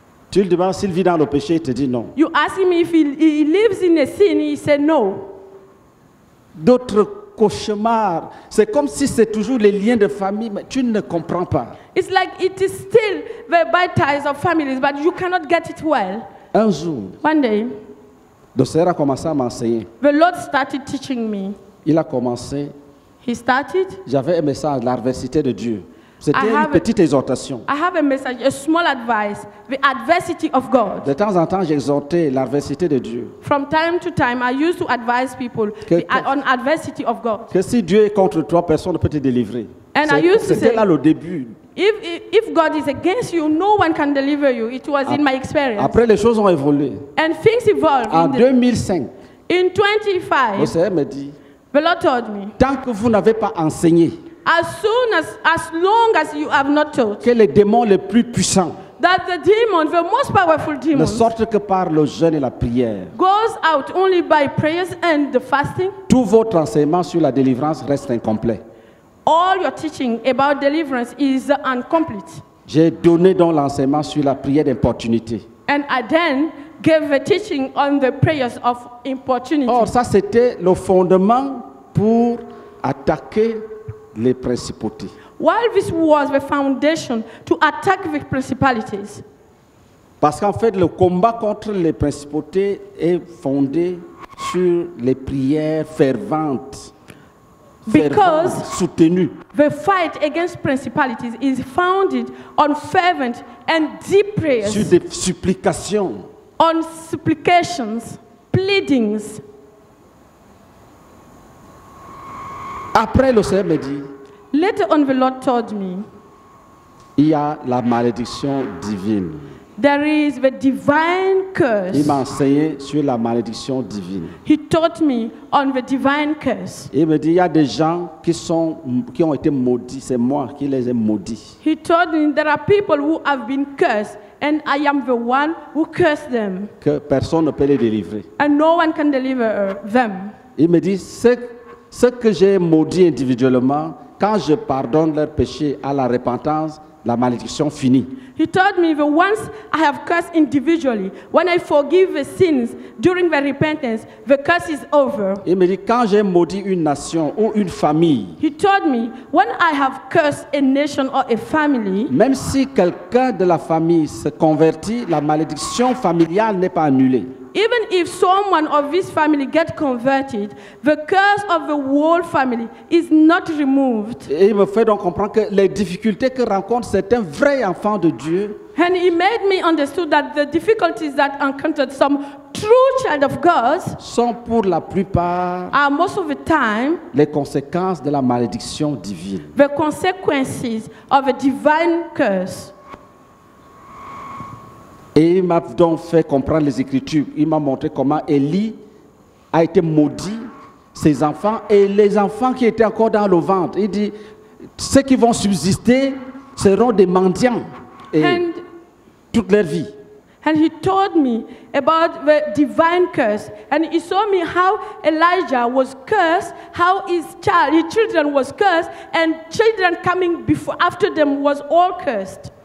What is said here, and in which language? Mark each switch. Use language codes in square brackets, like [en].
[fr] Tu lui demandes s'il vit dans le péché, il te dit non. [en] You ask him if he lives in a sin, he said no. [fr] D'autres cauchemars. C'est comme si c'est toujours les liens de famille, mais tu ne comprends pas. [en] It's like it is still the bad ties of families, but you cannot get it well. [fr] Un jour, [en] one day, [fr] le Seigneur a commencé à m'enseigner. [en] The Lord started teaching me. [fr] Il a commencé. [en] He started. [fr] J'avais un message, l'adversité de Dieu. C'était une petite exhortation. [en] I have a message, a small advice, the adversity of God. [fr] De temps en temps, j'exhortais l'adversité de Dieu. [en] From time to time, I used to advise people on adversity of God. [fr] Que si Dieu est contre toi, personne ne peut te délivrer. [en] And I used to say, [fr] c'était là le début. [en] If God is against you, no one can deliver you. It was in my experience. [fr] Après, les choses ont évolué. [en] And things evolved. [fr] En 2005. [en] In 2005. [fr] Le Seigneur m'a dit. [en] The Lord told me. [fr] Tant que vous n'avez pas enseigné. [en] As long as you have not taught. [fr] Que les démons les plus puissants. [en] That the demons, the most powerful demons. [fr] Ne sortent que par le jeûne et la prière. [en] Goes out only by prayers and the fasting. [fr] Tout votre enseignement sur la délivrance reste incomplet. [en] All your teaching about deliverance is incomplete. [fr] J'ai donné donc l'enseignement sur la prière d'importunité. [en] And I then gave a teaching on the prayers of importunity. [fr] Or, ça c'était le fondement pour attaquer les principautés. [en] While this was the foundation to attack the principalities. [fr] Parce qu'en fait, le combat contre les principautés est fondé sur les prières ferventes. [en] Because [fr] soutenu. [en] The fight against principalities is founded on fervent and deep prayers. [fr] Sur des supplications. [en] On supplications, pleadings. [fr] Après, le Seigneur me dit. [en] Later on, the Lord told me. [fr] Il y a la malédiction divine. [en] There is the divine curse. [fr] Il m'a enseigné sur la malédiction divine. [en] He taught me on the divine curse. [fr] Il me dit il y a des gens qui ont été maudits, c'est moi qui les ai maudits. [en] He told me there are people who have been cursed and I am the one who cursed them. [fr] Que personne ne peut les délivrer. [en] And no one can deliver them. [fr] Il me dit ce que j'ai maudit individuellement, quand je pardonne leur péché à la repentance, la malédiction finit. [en] He told me that once I have cursed individually, when I forgive the sins during the repentance, the curse is over. [fr] Il me dit quand j'ai maudit une nation ou une famille. [en] He told me when I have cursed a nation or a family. [fr] Même si quelqu'un de la famille se convertit, la malédiction familiale n'est pas annulée. [en] Even if someone of this family get converted, the curse of the whole family is not removed. [fr] Et il me fait donc comprendre que les difficultés que rencontrent certains vrais enfants de Dieu. [en] And he made me understand that the difficulties that encountered some true child of God [fr] sont pour la plupart [en] are most of the time [fr] les conséquences de la malédiction divine. [en] The consequences of a divine curse. [fr] Et il m'a donc fait comprendre les Écritures. Il m'a montré comment Élie a été maudit, ses enfants et les enfants qui étaient encore dans le ventre. Il dit, ceux qui vont subsister seront des mendiants et [en] and, [fr] toute leur vie. [en] And he told me about the divine curse, and he saw me how Elijah was cursed, how his children was cursed, and children coming before after them was all cursed.